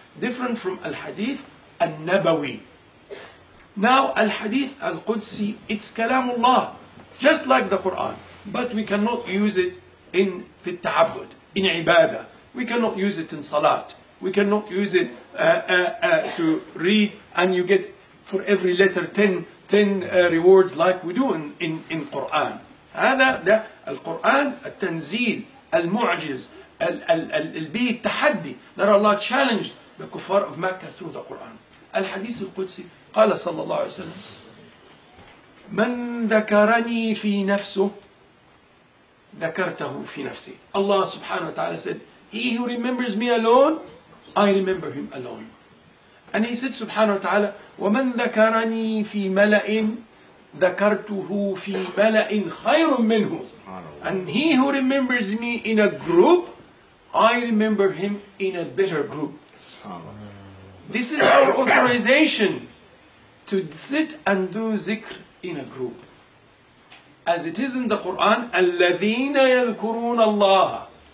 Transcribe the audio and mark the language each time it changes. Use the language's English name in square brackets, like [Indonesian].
[English] Different from al-hadith al-Nabawi. Now, al-hadith al-Qudusi, it's kalamullah. Just like the Quran. But we cannot use it in fi al-ta'abud, in ibadah. We cannot use it in salat. We cannot use it to read, and you get for every letter 10 rewards like we do in Quran. [Arabic] هذا ده القرآن التنزيل المعجز البي التحدي. [English] That Allah challenged the kuffar of Mecca through the Quran. [Arabic] الحديث القدسي قال صلى الله عليه وسلم من ذكرني في نفسه ذكرته في نفسي. [English] Allah subhanahu wa ta'ala said, he who remembers me alone, I remember him alone. And he said subhanahu wa ta'ala, [Arabic] وَمَنْ ذَكَرَنِي فِي مَلَئٍ ذَكَرْتُهُ فِي مَلَئٍ خَيْرٌ مِّنْهُ. [English] And he who remembers me in a group, I remember him in a better group. This is our authorization to sit and do zikr in a group. As it is in the Quran, [Arabic] الَّذِينَ يَذْكُرُونَ اللَّهَ.